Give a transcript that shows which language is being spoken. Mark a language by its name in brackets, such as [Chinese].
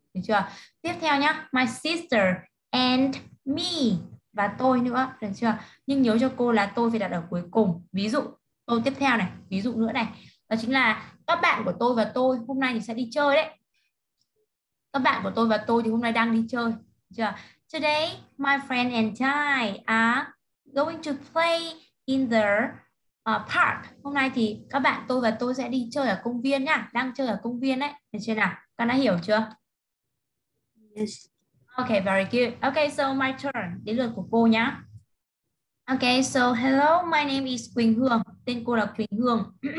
[Vietnamese] Được chưa? Tiếp theo nhá. [English] My sister and me. [Vietnamese] Và tôi nữa. Được chưa? Nhưng nhớ cho cô là tôi phải đặt ở cuối cùng. Ví dụ câu tiếp theo này. Ví dụ nữa này. Đó chính là các bạn của tôi và tôi hôm nay thì sẽ đi chơi đấy. Các bạn của tôi và tôi thì hôm nay đang đi chơi. Được chưa? [English] Today, my friend and I are going to play in the park. [Vietnamese] Hôm nay thì các bạn tôi và tôi sẽ đi chơi ở công viên nha. Đang chơi ở công viên đấy. Được chưa nào? Con đã hiểu chưa? [English] Yes. Okay, very good. Okay, so my turn. [Vietnamese] Đến lượt của cô nhá. [English] Okay, so hello, my name is Quỳnh Hương. [Vietnamese] Tên cô là Quỳnh Hương.